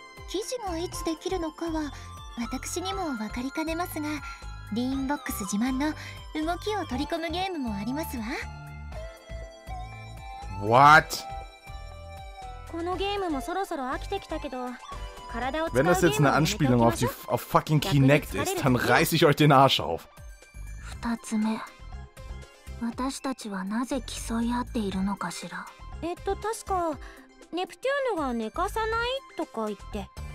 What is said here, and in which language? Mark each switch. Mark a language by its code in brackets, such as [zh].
[ja] 記事がいつできるのかは私にも分かりかねますが、リーンボックス自慢の動きを取り込むゲームもありますわ。 [en] What? [ja] このゲームもそろそろ飽きてきたけど、体を使うゲームに [de] Wenn das jetzt eine Anspielung auf die auf fucking Kinect ist, dann reiß ich euch den Arsch auf. [ja] 2つ目、私たちはなぜ競い合っているのかしら。確かネプテューヌが寝かさないとか言って、